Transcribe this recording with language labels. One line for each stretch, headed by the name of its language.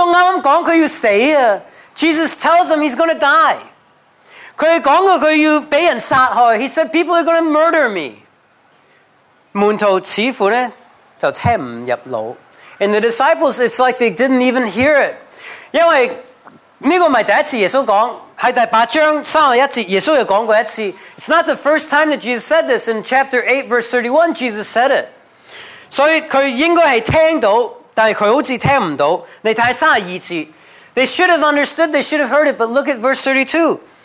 Chinese: 他被他杀以后，过了三天也要复活。耶稣刚刚讲他要死啊，Jesus
English: tells him he's going to die.
Chinese: 他讲过他要被人杀害，
English: He said people are going to murder me.
Chinese: 门徒似乎呢就听唔入脑，
English: and the disciples it's like they didn't even hear it.
Chinese: 因为这个不是第一次耶稣讲， 是第八章31节耶稣也讲过一次。
English: It's not the first time that Jesus said this. In chapter 8 verse 31 Jesus said it.
Chinese: 所以他应该是听到，但是他好像听不到。你看32节，
English: They should have understood, they should have heard it, but look at verse 32.